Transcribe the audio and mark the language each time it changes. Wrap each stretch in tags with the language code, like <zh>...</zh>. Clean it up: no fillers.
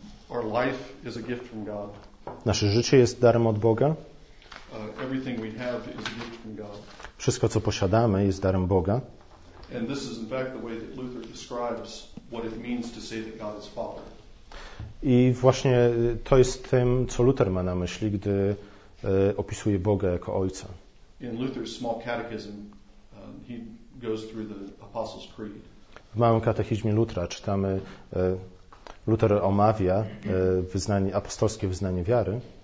<en>Our life is a gift from God.</en> <pl>Nasze życie jest darem od Boga.</pl> <en>Everything we have is a gift from God.</en> <pl>Wszystko, co posiadamy, jest darem Boga.</pl> <en>And this is in fact the way that Luther describes what it means to say that God is Father.</en> <pl>I właśnie to jest tym, co Luther ma na myśli, gdy opisuje Boga jako Ojca.</pl> <en>In Luther's small catechism, he goes through the Apostles' Creed.</en> <pl>W małym katechizmie Lutra czytamy Luther omawia wyznanie, apostolskie wyznanie wiary.</pl>